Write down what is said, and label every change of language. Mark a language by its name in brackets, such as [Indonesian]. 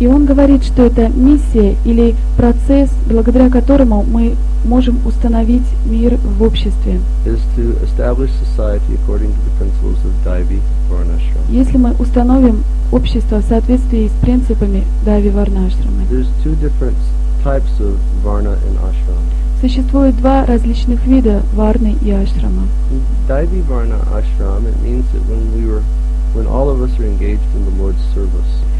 [Russian] И он говорит, что это миссия или процесс, благодаря которому мы можем установить мир в обществе. [English] Is to establish society according to the principles of Daivi Varnashrama. [Russian] Если мы установим общество в соответствии с принципами Даиви Варнашрамы. [English] There's two different types of varna and ashram. [Russian] Существует два различных вида варны и ашрама. [English] Daivi varna ashram, it means that when all of us are engaged in the Lord's service.